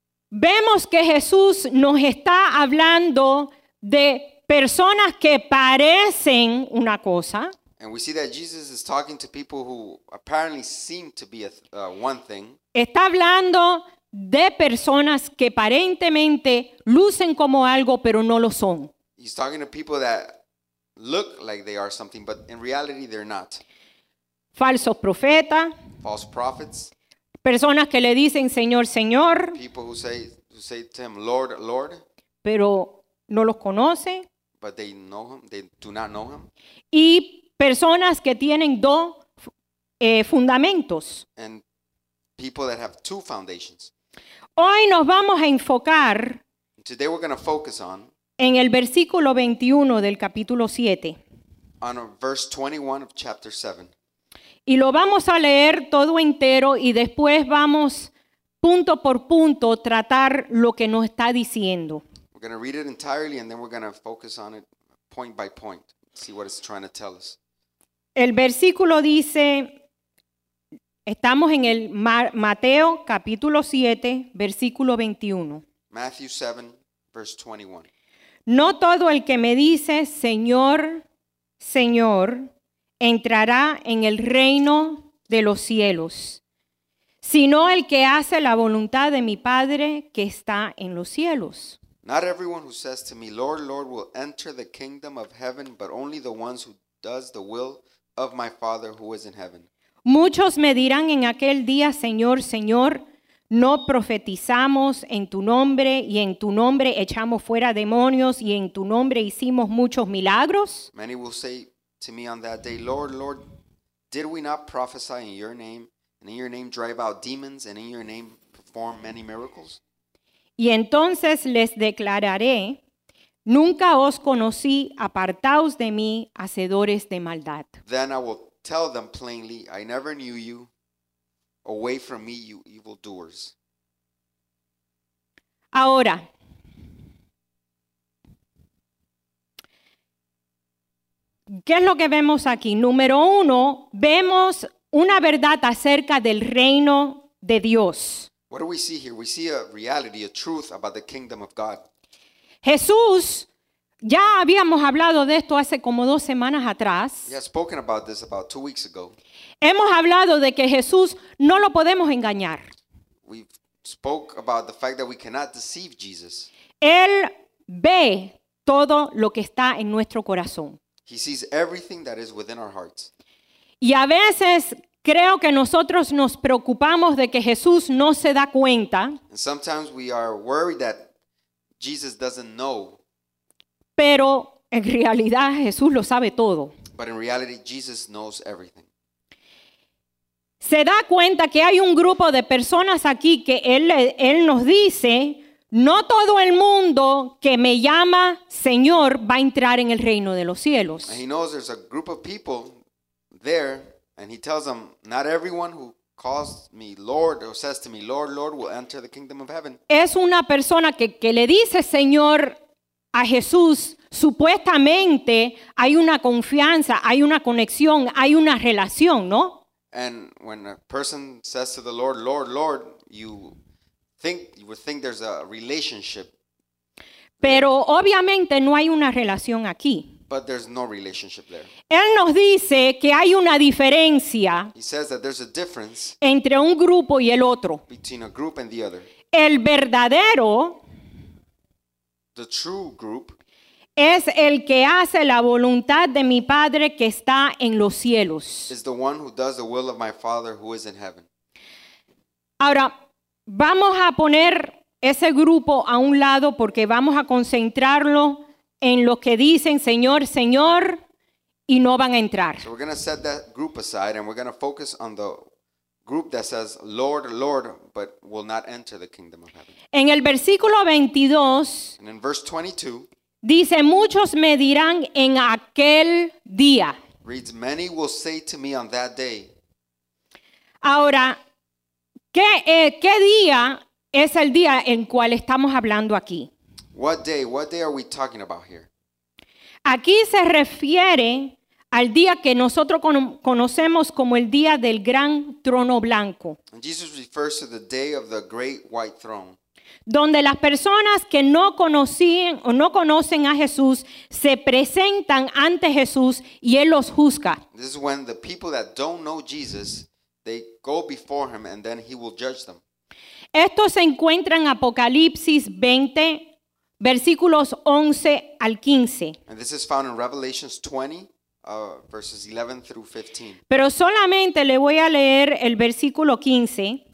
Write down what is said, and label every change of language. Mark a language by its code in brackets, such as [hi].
[es] Vemos que Jesús nos está hablando de personas que parecen una cosa. [en] And we see that Jesus is talking to people who apparently seem to be one thing. [es] Está hablando de personas que aparentemente lucen como algo, pero no lo son. [en] He's talking to people that look like they are something, but in reality they're not. [es] Falsos profetas. [en] False prophets. [es] Personas que le dicen Señor, Señor. [en] People who say to him, Lord, Lord. [es] Pero no los conoce. [en] But they know him. They do not know him. [es] Y personas que tienen dos fundamentos. [en] And people that have two foundations. [es] Hoy nos vamos a enfocar. [en] Today we're going to focus on. [es] En el versículo 21 del capítulo 7. [en] On verse 21 of chapter 7. [es] Y lo vamos a leer todo entero y después vamos punto por punto tratar lo que nos está diciendo. [en] We're going to read it entirely and then we're going to focus on it point by point. See what it's trying to tell us. [es] El versículo dice, estamos en el Mateo capítulo 7, versículo 21. [en] Matthew 7, verse 21. [es] No todo el que me dice, Señor, Señor, entrará en el reino de los cielos, sino el que hace la voluntad de mi Padre que está en los cielos. [en] Not everyone who says to me, Lord, Lord, will enter the kingdom of heaven, but only the ones who does the will of my Father who is in heaven. [es] Muchos me dirán en aquel día, Señor, Señor, no profetizamos en tu nombre y en tu nombre echamos fuera demonios y en tu nombre hicimos muchos milagros. [en] Many will say to me on that day, Lord, Lord, did we not prophesy in your name and in your name drive out demons and in your name perform many miracles? [es] Y entonces les declararé, nunca os conocí, apartaos de mí, hacedores de maldad. [en] Then I will tell them plainly, I never knew you. Away from me, you evildoers. [es] Ahora, ¿qué es lo que vemos aquí? Número uno, vemos una verdad acerca del reino de Dios. [en] What do we see here? We see a reality, a truth about the kingdom of God. [es] Jesús, ya habíamos hablado de esto hace como dos semanas atrás. [en] We have spoken about this about 2 weeks ago. [es] Hemos hablado de que Jesús no lo podemos engañar. [en] We spoke about the fact that we cannot deceive Jesus. [es] Él ve todo lo que está en nuestro corazón. [en] He sees everything that is within our hearts. [es] Y a veces creo que nosotros nos preocupamos de que Jesús no se da cuenta. [en] And sometimes we are worried that Jesus doesn't know. [es] Pero en realidad Jesús lo sabe todo. [en] But in reality, Jesus knows everything. [es] Se da cuenta que hay un grupo de personas aquí que él nos dice, no todo el mundo que me llama Señor va a entrar en el reino de los cielos. [en] And he knows there's a group of people there, and he tells them, not everyone who calls me Lord or says to me, Lord, Lord, will enter the kingdom of heaven. [es] Es una persona que le dice Señor a Jesús, supuestamente hay una confianza, hay una conexión, hay una relación, ¿no? [en] And when a person says to the Lord, Lord, Lord, you would think there's a relationship. [es] Pero obviamente no hay una relación aquí. [en] But there's no relationship there. [es] Él nos dice que hay una diferencia. [en] He says that there's a difference. [es] Entre un grupo y el otro. [en] Between a group and the other. [es] El verdadero. [en] The true group. [es] Es el que hace la voluntad de mi Padre que está en los cielos. [en] Is the one who does the will of my Father who is in heaven. [es] Ahora, vamos a poner ese grupo a un lado porque vamos a concentrarlo en los que dicen Señor, Señor, y no van a entrar. [en] So we're going to set that group aside and we're going to focus on the group that says Lord, Lord, but will not enter the kingdom of heaven. [es] En el versículo 22. [en] And in verse 22. [es] Dice, muchos me dirán en aquel día. [en] Reads, many will say to me on that day. [es] Ahora, ¿qué día es el día en cual estamos hablando aquí? [en] What day are we talking about here? [es] Aquí se refiere al día que nosotros conocemos como el día del gran trono blanco. [en] And Jesus refers to the day of the great white throne. [es] Donde las personas que no conocían o no conocen a Jesús se presentan ante Jesús y él los juzga. [en] This is when the people that don't know Jesus, they go before him and then he will judge them. [es] Esto se encuentra en Apocalipsis 20, versículos 11 al 15. [en] And this is found in Revelations 20, verses 11 through 15. [es] Pero solamente le voy a leer el versículo 15.